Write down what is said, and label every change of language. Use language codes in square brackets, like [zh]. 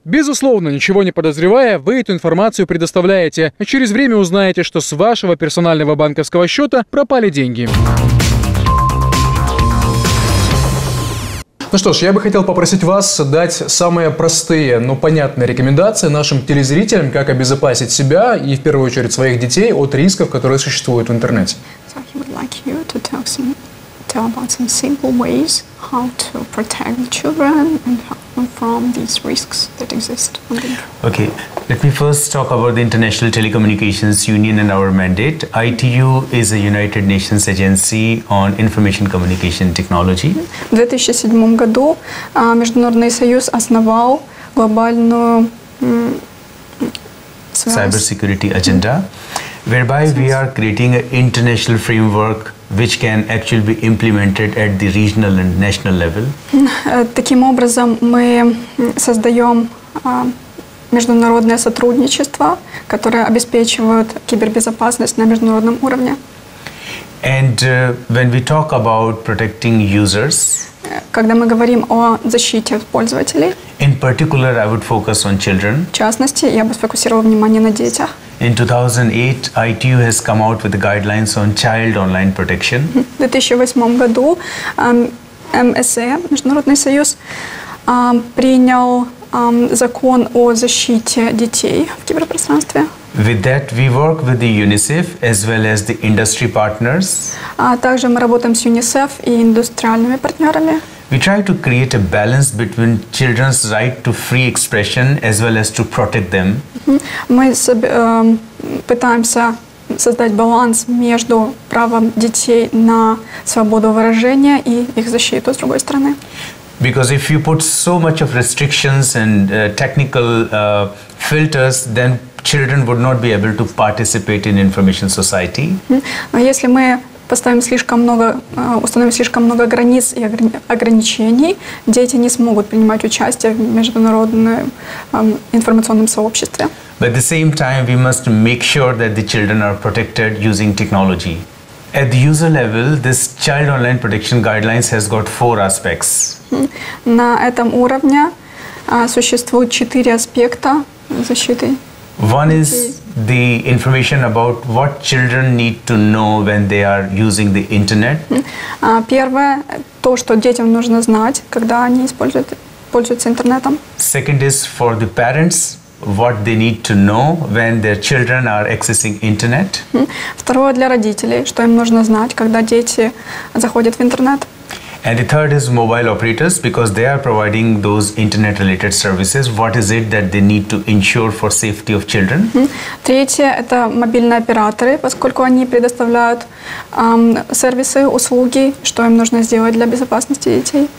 [ru] Безусловно, ничего не подозревая, вы эту информацию предоставляете, а через время узнаете, что с вашего персонального банковского счета пропали деньги. Ну что ж, я бы хотел попросить вас дать самые простые, но понятные рекомендации нашим телезрителям, как обезопасить себя и, в первую очередь, своих детей от рисков, которые существуют в интернете. [en] So he would like you to tell some tell about some simple ways how to protect children and from these risks that exist on the internet. Okay, let me first talk about the International Telecommunications Union and our mandate. ITU is a United Nations agency on information communication technology. [ru] В 2007 году Международный союз основал глобальную [en] cybersecurity agenda, whereby we are creating an international framework which can actually be implemented at the regional and national level. [ru] Таким образом, мы создаем международное сотрудничество, которое обеспечивает кибербезопасность на международном уровне. [en] And when we talk about protecting users, [ru] когда мы говорим о защите пользователей, [en] in particular, I would focus on children. [ru] В частности, я бы сфокусировал внимание на детях. [en] In 2008, ITU has come out with the guidelines on child online protection. [ru] В 2008 году МСЭ, Международный союз, принял закон о защите детей в киберпространстве. [en] With that, we work with the UNICEF as well as the industry partners. [ru] Также мы работаем с UNICEF и индустриальными партнерами. [en] We try to create a balance between children's right to free expression as well as to protect them. [ru] Мы пытаемся создать баланс между правом детей на свободу выражения и их защиту с другой стороны. [en] Because if you put so much of restrictions and technical filters, then children would not be able to participate in information society. [ru] Если мы поставим слишком много, установим слишком много границ и ограничений, дети не смогут принимать участие в международном информационном сообществе. [en] But at the same time, we must make sure that the children are protected using technology. At the user level, this child online protection guidelines has got four aspects. [ru] На этом уровне существует четыре аспекта защиты. [en] One is the information about what children need to know when they are using the internet. [ru] Первое – то, что детям нужно знать, когда они пользуются интернетом. [en] Second is for the parents, what they need to know when their children are accessing internet. [ru] Второе – для родителей, что им нужно знать, когда дети заходят в интернет. [en] And the third is mobile operators, because they are providing those internet-related services. What is it that they need to ensure for safety of children? [ru] Третье – это мобильные операторы, поскольку они предоставляют сервисы, услуги, что им нужно сделать для безопасности детей.